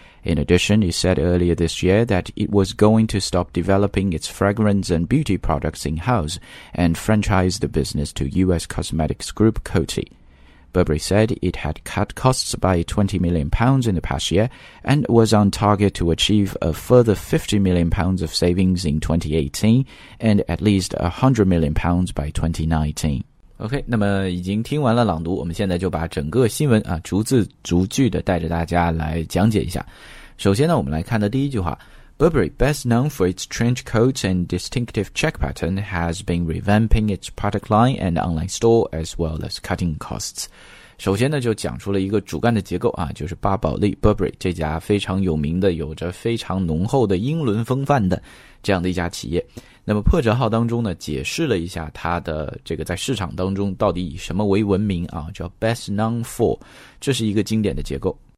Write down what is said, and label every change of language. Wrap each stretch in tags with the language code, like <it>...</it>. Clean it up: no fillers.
<en>In addition, it said earlier this year that it was going to stop developing its fragrance and beauty products in-house and franchise the business to U.S. cosmetics group Coty. Burberry said it had cut costs by £20 million in the past year and was on target to achieve a further £50 million of savings in 2018 and at least £100 million by 2019.</en> <zh>OK, 那么已经听完了朗读，我们现在就把整个新闻啊逐字逐句的带着大家来讲解一下。首先呢，我们来看的第一句话，</zh> <en>Burberry, best known for its trench coats and distinctive check pattern, has been revamping its product line and online store as well as cutting costs.</en> <zh>首先呢，就讲出了一个主干的结构啊，就是巴宝莉 Burberry 这家非常有名的、有着非常浓厚的英伦风范的这样的一家企业。那么破折号当中呢，解释了一下它的这个在市场当中到底以什么为闻名啊，叫</zh> <en>best known for，</en> <zh>这是一个经典的结构。</zh>